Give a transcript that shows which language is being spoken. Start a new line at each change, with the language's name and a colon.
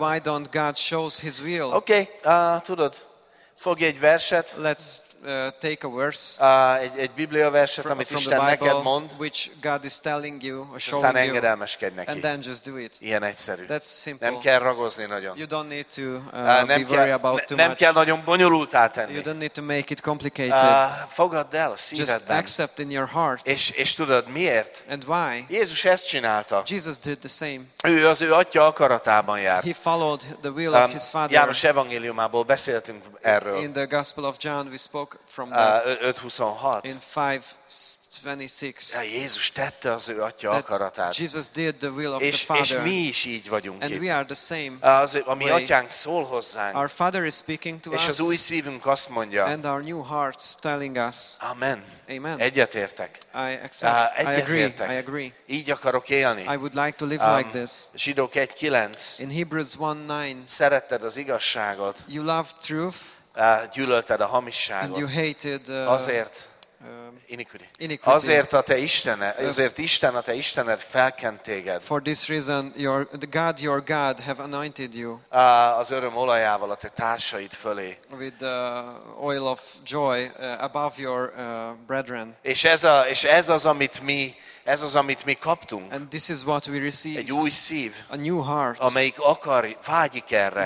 English: Why don't God shows his will?
Hungarian: Okay, tudod, fogj egy verset.
English: Let's take a verse.
Hungarian: Egy Biblia verset, amit Isten
English: Bible,
Hungarian: neked mond.
English: Which God is telling you or showing you.
Hungarian: Aztán engedelmeskedj neki.
English: And then just do it.
Hungarian: Ilyen egyszerű.
English: That's simple.
Hungarian: Nem kell ragozni nagyon.
English: You don't need to be worry about too much.
Hungarian: Nem kell nagyon bonyolult átenni.
English: You don't need to make it complicated.
Hungarian: Fogadd el a szívedben.
English: Just accept in your heart.
Hungarian: És tudod miért?
English: And why?
Hungarian: Jézus ezt csinálta.
English: Jesus did the same.
Hungarian: Ő az ő atya akaratában járt.
English: He followed the will of his father.
Hungarian: János evangéliumából beszéltünk erről.
English: In the Gospel of John we spoke from that in 5:26.
Hungarian: Ja, Jézus tette az ő atya akaratát.
English: Jesus did the will of
Hungarian: és,
English: the Father.
Hungarian: És mi is így vagyunk
English: and
Hungarian: itt.
English: We are the same
Hungarian: az, a mi atyánk szól hozzánk.
English: Our Father is speaking to
Hungarian: és
English: us.
Hungarian: És az új szívünk azt mondja.
English: And our new hearts telling us.
Hungarian: Amen.
English: Amen.
Hungarian: Egyetértek.
English: I accept.
Hungarian: Egyetértek.
English: I agree.
Hungarian: Így akarok élni.
English: I would like to live like this.
Hungarian: Zsidók 1:9.
English: In Hebrews 1:9.
Hungarian: Szeretted az igazságot.
English: You love truth.
Hungarian: Gyűlölted a hamisságot.
English: You hated,
Hungarian: azért
English: iniquity.
Hungarian: Azért a te Istened, azért Isten a te Istened felkent téged.
English: For this reason your God have anointed you.
Hungarian: Az öröm olajával a te társaid fölé.
English: With the oil of joy above your brethren.
Hungarian: És ez az amit mi kaptunk.
English: And this is what we received.
Hungarian: Egy új szív,
English: a new heart,
Hungarian: amelyik akar, vágyik erre,